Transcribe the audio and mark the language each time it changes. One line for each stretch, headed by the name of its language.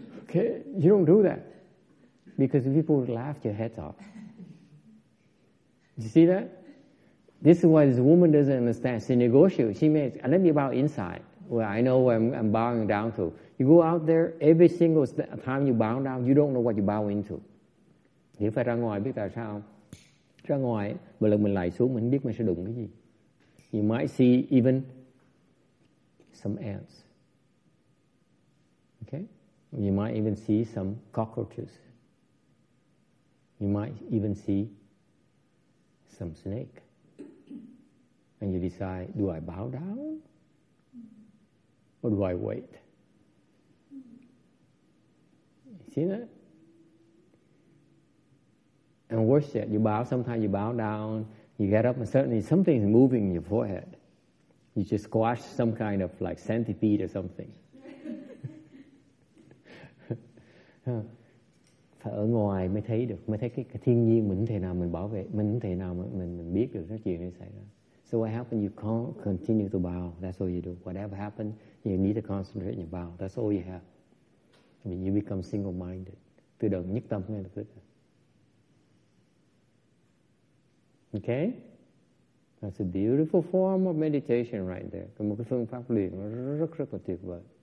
English: Okay, you don't do that. Because people would laugh your heads off. You see that? This is why this woman doesn't understand. She negotiates. She makes, let me bow inside. Well, I know where I'm bowing down to. You go out there, every single time you bow down, you don't know what you bow into.
Vietnamese: Nếu phải ra ngoài, biết tại sao? Ra ngoài, một lần mình lại xuống, mình biết mình sẽ đụng cái gì.
English: You might see even some ants. Okay? You might even see some cockroaches. You might even see some snake. And you decide, do I bow down? Or do I wait? See that? And worse yet, you bow, sometimes you bow down, you get up, and suddenly something is moving in your forehead. You just squash some kind of like centipede or something.
Vietnamese: Phải ở ngoài mới thấy được, mới thấy cái thiên nhiên mình thế nào mình bảo vệ, mình thế nào mình biết được cái chuyện này xảy ra.
English: So what happens, you can't continue to bow. That's all you do. Whatever happens, you need to concentrate and you bow. That's all you have. I mean, you become single-minded.
Vietnamese: Tự động nhất tâm ngay lập tức.
English: Okay? That's a beautiful form of meditation right there.
Vietnamese: Còn một cái phương pháp luyện rất rất là tuyệt vời.